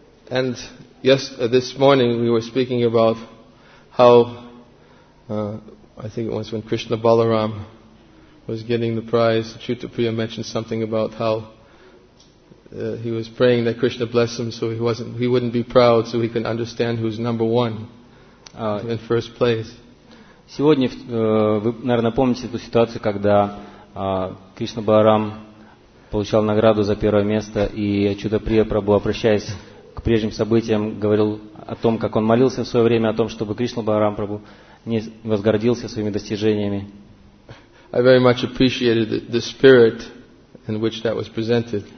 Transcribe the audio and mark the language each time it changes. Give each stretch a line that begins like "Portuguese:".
English: And yes, this morning we were speaking about how I think it was when Krishna Balaram was getting the prize, Chuta Priya mentioned something about how he was praying that Krishna bless him so he wouldn't be proud, so he can understand who's number one in first place.
Russian: Сегодня вы, наверное, помните ту ситуацию, когда Кришна Баларам получал награду за первое место, и Чуда Прия Прабу, обращаясь к прежним событиям, говорил о том, как он молился в свое время о том, чтобы Кришна Баларам Прабу не возгордился своими достижениями.
English: I very much appreciated the spirit in which that was presented.